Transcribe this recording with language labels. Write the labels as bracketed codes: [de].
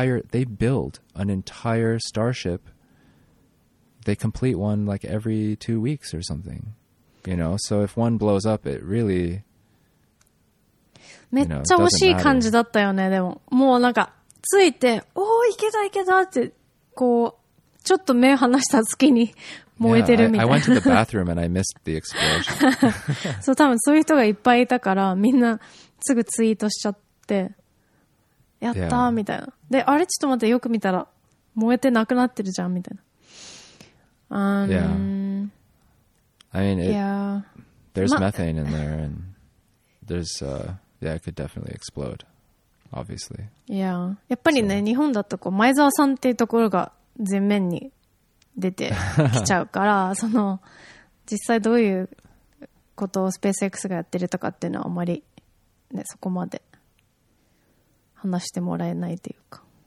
[en] They build an entire starship. They complete one like every 2 weeks or something, you know? So if one blows up, it really, [ja] めっちゃ惜しい感じだったよね。でももうなんかついて、おお、いけたいけたって、こうちょっと目離した隙に燃えてるみたいな。 [en] Yeah, I went to the bathroom and I missed the explosion. [ja] そう、多分そういう人がいっぱいいたからみんなすぐツイートしちゃってやったーみたいな。で、あれちょっと待って、よく見たら燃えてなくなってるじゃんみたいな。 [en] Yeah. I mean, there's methane in there and there's Yeah, it could definitely explode, obviously. Yeah. [ja] やっぱりね、日本だとこう、前澤さんっていうところが前面に出てきちゃうから、その、実際どういうことをスペース X がやってるとかっていうのはあまり、ね、そこまで話してもらえないというか。